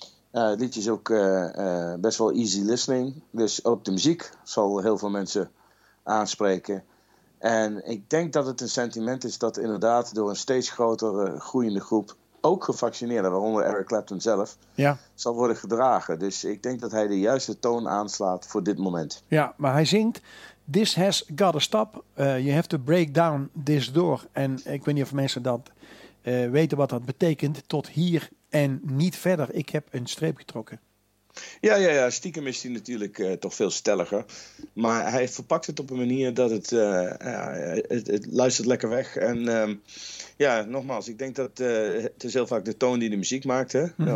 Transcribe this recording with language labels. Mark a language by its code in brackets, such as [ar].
[nl] Het liedje is ook best wel easy listening. Dus ook de muziek zal heel veel mensen aanspreken. En ik denk dat het een sentiment is dat inderdaad door een steeds grotere groeiende groep, ook gevaccineerden, waaronder Eric Clapton zelf, zal worden gedragen. Dus ik denk dat hij de juiste toon aanslaat voor dit moment. Ja, maar hij zingt, [en] this has gotta stop. You have to break down this door. [nl] En ik weet niet of mensen dat weten wat dat betekent, tot hier en niet verder. Ik heb een streep getrokken. Ja. Stiekem is hij natuurlijk toch veel stelliger. Maar hij verpakt het op een manier dat het... Het luistert lekker weg. En nogmaals, ik denk dat het is heel vaak de toon die de muziek maakt. Hè? Mm-hmm.